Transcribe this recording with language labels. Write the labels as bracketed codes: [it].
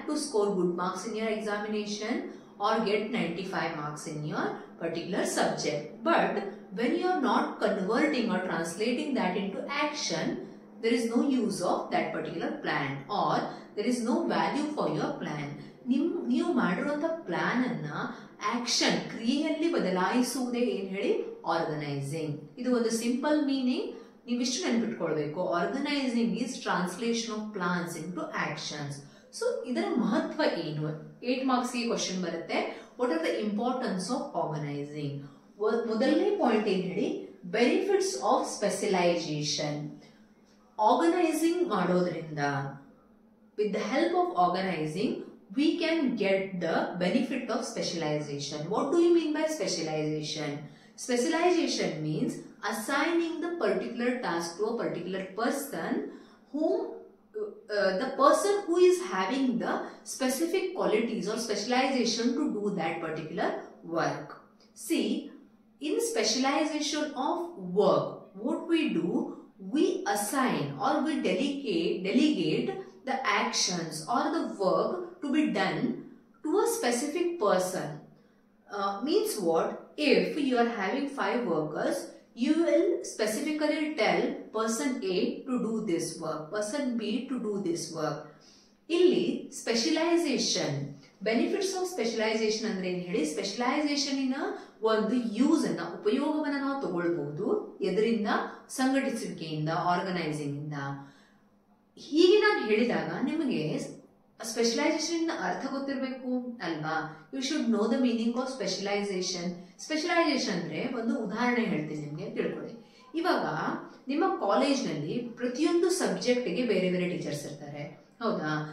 [en] To score good marks in your examination or get 95 marks in your particular subject. But when you are not converting or translating that into action, there is no use of that particular plan or there is no value for your plan. [kn] ನೀವು ಮಾಡಿರುವಂತ plan ಅನ್ನ action ಕ್ರಿಯೆಯಲ್ಲಿ ಬದಲಾಯಿಸುವುದೇ ಏನ್ ಹೇಳಿ organising. ಇದು ಒಂದು simple meaning, ನೀವಿಷ್ಟು ನೆನ್ಪಿಟ್ಕೊಳ್ಬೇಕು. [en] Organising is translation of plans into actions. [kn] So ಇದರ ಮಹತ್ವ ಏನು? 8 ಮಾರ್ಕ್ಸ್ ಗೆ ಕ್ವಶನ್ ಬರುತ್ತೆ, [en] What are the importance of organising. [kn] ಮೊದಲನೇ ಪಾಯಿಂಟ್ ಏನ್ ಹೇಳಿ, [en] Benefits of specialisation. [kn] ಆರ್ಗನೈಸಿಂಗ್ ಮಾಡೋದ್ರಿಂದ, [en] With the help of organising we can get the benefit of specialisation. What do you mean by specialisation? Specialisation means assigning the particular task to a particular person whom the person who is having the specific qualities or specialisation to do that particular work. See, in specialisation of work what we do, we assign or we delegate the actions or the work to be done to a specific person. Means what? If you are having 5 workers, you will specifically tell person A to do this work, person B to do this work. [kn] Illi specialization, [en] benefits of specialization [kn] andre en heli, specialization ina ಒಂದು use ಅನ್ನ ಉಪಯೋಗವನ್ನು ನಾವು ತಗೊಳ್ಬಹುದು. ಎದರಿಂದ? ಸಂಘಟಿಸುವಿಕೆಯಿಂದ, organising ಇಂದ. ಹೀಗೆ ನಾನು ಹೇಳಿದಾಗ ನಿಮಗೆ ಸ್ಪೆಷಲೈಸೇಷನ್ ಇಂದ ಅರ್ಥ ಗೊತ್ತಿರಬೇಕು ಅಲ್ವಾ? [en] You should know the meaning of specialisation. [kn] Specialisation ಅಂದ್ರೆ, ಒಂದು ಉದಾಹರಣೆ ಹೇಳ್ತೀನಿ ನಿಮಗೆ ತಿಳ್ಕೊಳ್ಳಿ. ಇವಾಗ ನಿಮ್ಮ ಕಾಲೇಜ್ನಲ್ಲಿ ಪ್ರತಿಯೊಂದು ಸಬ್ಜೆಕ್ಟ್ಗೆ ಬೇರೆ ಬೇರೆ ಟೀಚರ್ಸ್ ಇರ್ತಾರೆ, ಹೌದಾ?